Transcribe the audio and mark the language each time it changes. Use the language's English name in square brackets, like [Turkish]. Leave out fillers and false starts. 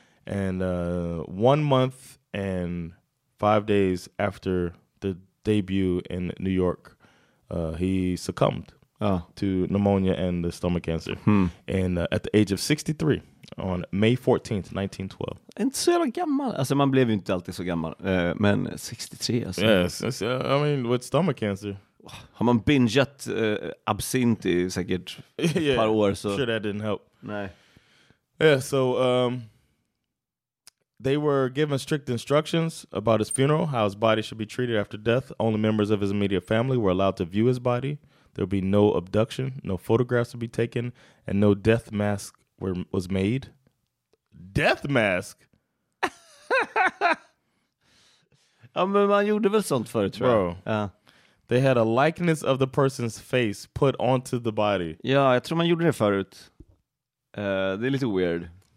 [English] And 1 month and 5 days after the debut in New York, he succumbed. To pneumonia and the stomach cancer. And at the age of 63 on May 14th, 1912. [Swedish] Inte så gammal. Alltså man blev ju inte alltid så gammal. Men 63 alltså. [English] Yes, I mean with stomach cancer. [Swedish] Har man bingeat absint i säkert ett par år så. [English] Sure, that didn't help. [Swedish] Nej. [English] Yeah, so they were given strict instructions about his funeral, how his body should be treated after death. Only members of his immediate family were allowed to view his body. There'll be no abduction, no photographs will be taken, and no death mask was made. Death mask? [Swedish] Ja, men man gjorde väl sånt förut, tror jag. [English] They had a likeness of the person's face put onto the body. [Swedish] Ja, jag tror man gjorde det förut. Det är lite weird.